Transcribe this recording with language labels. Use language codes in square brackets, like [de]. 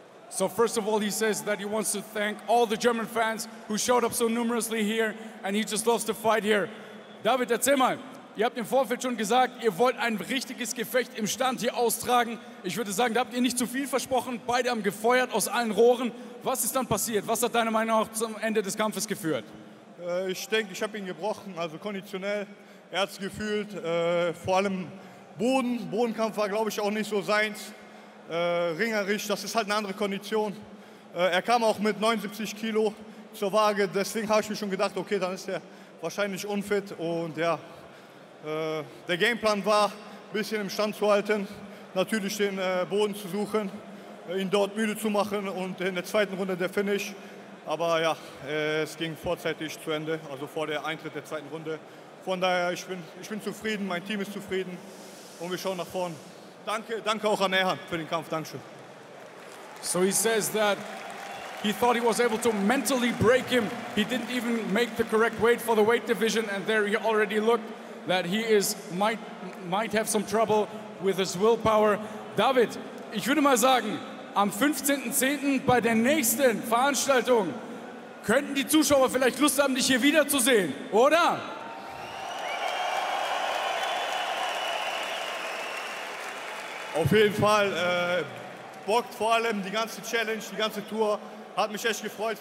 [en] So first of all, he says that he wants to thank all the German fans who showed up so numerously here and he just loves to fight here. [de] David, erzähl mal, ihr habt im Vorfeld schon gesagt, ihr wollt ein richtiges Gefecht im Stand hier austragen. Ich würde sagen, da habt ihr nicht zu viel versprochen, beide haben gefeuert aus allen Rohren. Was ist dann passiert? Was hat deiner Meinung nach zum Ende des Kampfes geführt? Ich denke, ich habe ihn gebrochen, also konditionell. Er hat es gefühlt, vor allem Boden. Bodenkampf war, glaube ich, auch nicht so seins. Ringerisch, das ist halt eine andere Kondition. Er kam auch mit 79 Kilo zur Waage. Deswegen habe ich mir schon gedacht, okay, dann ist er wahrscheinlich unfit. Und ja, der Gameplan war, ein bisschen im Stand zu halten, natürlich den Boden zu suchen, ihn dort müde zu machen und in der zweiten Runde der Finish. Aber ja, es ging vorzeitig zu Ende, also vor der Eintritt der zweiten Runde. Von daher, ich bin zufrieden, mein Team ist zufrieden und wir schauen nach vorne. Danke auch an Erhan für den Kampf, Dankeschön. [en] So he says that he thought he was able to mentally break him. He didn't even make the correct weight for the weight division and there he already looked that he is might have some trouble with his willpower. [de] David, ich würde mal sagen, am 15.10. bei der nächsten Veranstaltung könnten die Zuschauer vielleicht Lust haben, dich hier wiederzusehen, oder? Auf jeden Fall. Bockt vor allem die ganze Challenge, die ganze Tour. Hat mich echt gefreut.